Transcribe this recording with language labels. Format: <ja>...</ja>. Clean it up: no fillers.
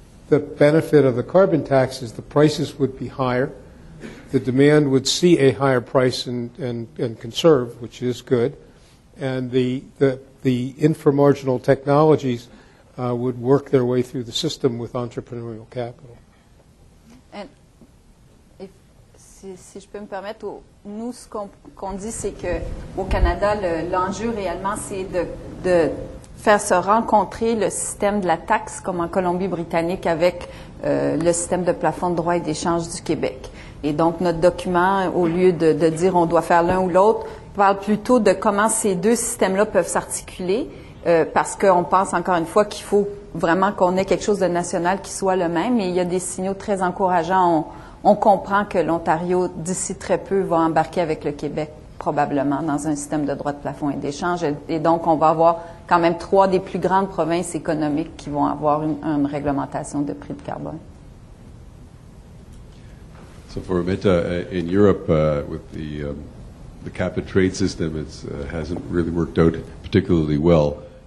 <en>The benefit of the carbon tax is the prices would be higher. The demand would see a higher price and conserve, which is good. And the inframarginal technologies would work their way through the system with entrepreneurial capital.</en> <fr>And if, si je peux me permettre, nous, ce qu'on dit, c'est que au Canada, l'enjeu réellement, c'est de faire se rencontrer le système de la taxe, comme en Colombie-Britannique, avec le système de plafond de droits et d'échange du Québec. Et donc, notre document, au lieu de dire on doit faire l'un ou l'autre, parle plutôt de comment ces deux systèmes-là peuvent s'articuler, parce qu'on pense, encore une fois, qu'il faut vraiment qu'on ait quelque chose de national qui soit le même. Et il y a des signaux très encourageants. On comprend que l'Ontario, d'ici très peu, va embarquer avec le Québec, probablement, dans un système de droits de plafond et d'échange. Et donc, on va avoir quand même trois des plus grandes provinces économiques qui vont avoir une réglementation de prix de carbone.</fr> <en>So for Amita, in Europe, with the cap and trade system, it hasn't really worked out particularly well.</en>